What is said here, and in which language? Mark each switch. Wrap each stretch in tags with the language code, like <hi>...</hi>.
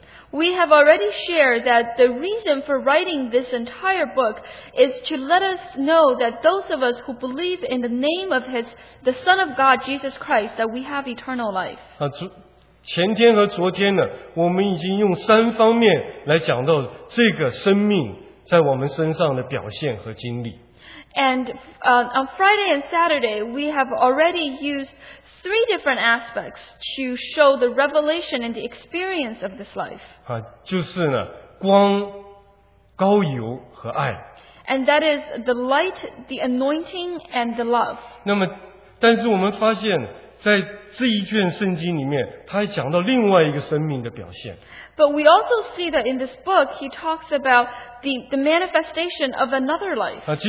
<en>We have already shared that the reason for writing this entire book is to let us know that those of us who believe in the name of the Son of God, Jesus Christ, that we have eternal life.</en> <zh>前天和昨天呢, 我们已经用三方面来讲到这个生命在我们身上的表现和经历。</zh> <en>And on Friday and Saturday, we have already used three different aspects to show the revelation and the experience of this life.</en> <zh>啊, 就是呢, 光, 膏油和爱。</zh> <en>And that is the light, the anointing, and the love.</en> <zh>那么, 但是我们发现, 在这一卷圣经里面, 他还讲到另外一个生命的表现。</zh> <en>But we also see that in this book, he talks about the manifestation of another life.</en>